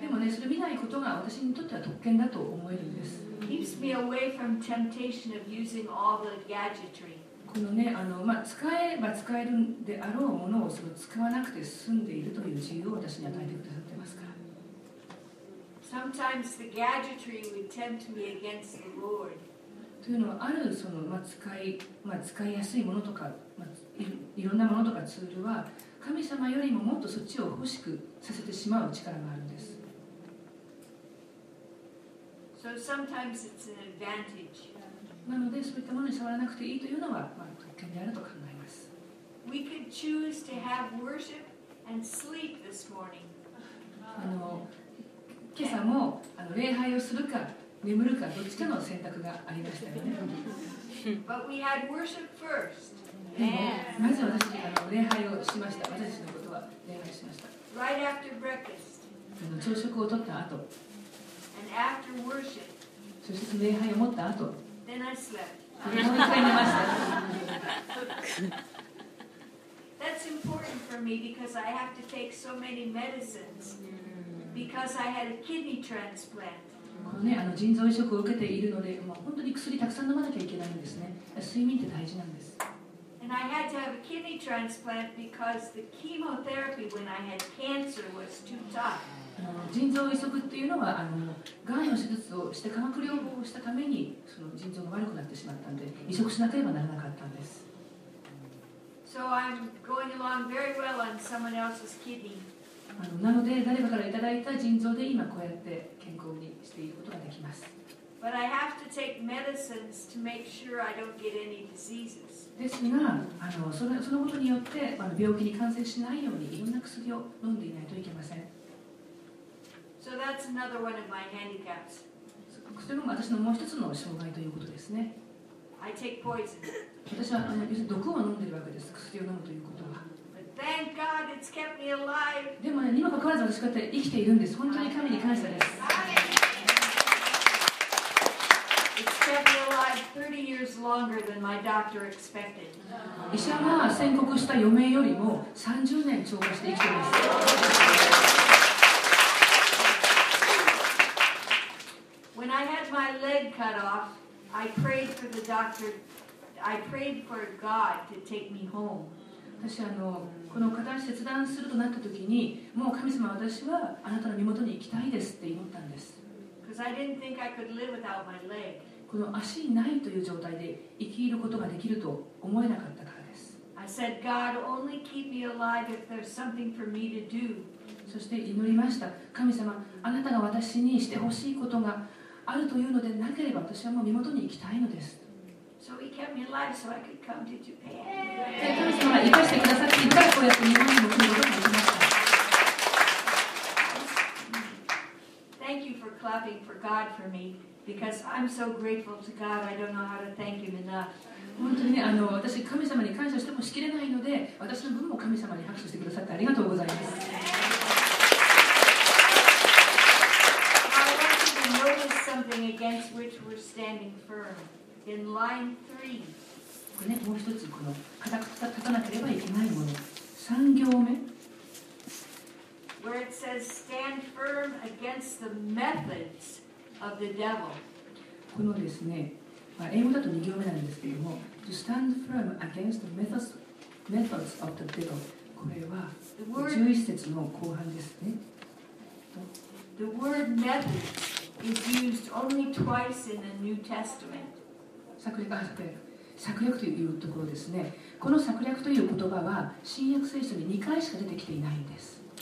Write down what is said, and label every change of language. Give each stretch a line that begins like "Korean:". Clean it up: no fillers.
Japanese: でもね、それ見ないことが私にとっては特権だと思えるんです。
English: Keeps me away from temptation of using all the gadgetry.
Japanese: このね、使えば使えるであろうものをその使わなくて済んでいるという自由を私に与えてくださってますから。
English: Sometimes the gadgetry would tempt me against the Lord.
Japanese: というのはあるその、使いやすいものとか、いろんなものとかツールは神様よりももっとそっちを欲しくさせてしまう力があるんです。
English: So sometimes it's an advantage.
Japanese: なのでそういったものに触らなくていいというのは、特権であると考えます。
English: We could choose to have worship and sleep this morning.
Japanese: 今朝も礼拝をするか眠るかどっちかの選択がありましたよね。
English: But we had worship first.
Japanese: まず私礼拝をしました。私たちのことは礼拝しました。
English: Right after breakfast.
Japanese: 朝食をとった後。
English: And after worship.
Japanese: そして礼拝を持った後。
English: Then I slept.
Japanese: もう一回寝ました。
English: That's important for me because I have to take so many medicines because I had a kidney transplant.
Japanese: このね、腎臓移植を受けているので、もう本当に薬たくさん飲まなきゃいけないんですね。睡眠って大事なんです。
English: And I had to have a kidney transplant because the chemotherapy when I had cancer was too tough.
Japanese: 腎臓移植っていうのは、がんの手術をして化学療法をしたためにその腎臓が悪くなってしまったんで、移植しなければならなかったんです。
English: So I'm going along very well on someone else's kidney.
Japanese: なので誰かからいただいた腎臓で今こうやって健康にしていることができます。
English: But I have to take medicines to make sure I don't get any diseases.
Japanese: ですが、そのことによって病気に感染しないようにいろんな薬を飲んでいないといけません。
English: So that's another one of my handicaps.
Japanese: それも私のもう一つの障害ということですね。
English: I take poison.
Japanese: 私は毒を飲んでいるわけです。薬を飲むということは。
English: Thank God it's kept me alive.
Japanese: でもね、にもかかわらず私こうやって生きているんです。本当に神に感謝です。
English: It's kept me alive 30 years longer than my doctor expected.
Japanese: 医者が宣告した余命よりも30年超過して生きています。
English: When I had my leg cut off, I prayed for the doctor. I prayed for God to take me home.
Japanese: 私はこの片足切断するとなった時にもう神様私はあなたの身元に行きたいですって思ったんです。
English: Because I didn't think I could live without my leg.
Japanese: この足ないという状態で生きることができると思えなかったからです。
English: I said, God, only keep me alive if there's something for me to do.
Japanese: そして祈りました。神様、あなたが私にしてほしいことがあるというのでなければ私はもう身元に行きたいのです。
English: So he kept me alive so I could come to Japan.
Japanese: 神様が生かしてくださって、いっぱいこうやって日本にも来ることができました。
English: Thank you for clapping for God for me, because I'm so grateful to God, I don't know how to thank him enough.
Japanese: 本当にね、私神様に感謝してもしきれないので、私の分も神様に拍手してくださってありがとうございます。
English: I want you to notice something against which we're standing firm. In line three.
Japanese: これね、もう一つこの固く立たなければいけないもの、三行目。
English: Where it says, "Stand firm against the methods of the devil."
Japanese: このですね、英語だと二行目なんですけれども、
English: to stand firm against the methods of the devil。
Japanese: これは十一節の後半ですね。
English: The word method is used only twice in the New Testament.
Japanese: 策略というところですね。この策略という言葉は新約聖書に2回しか出てきていないんです。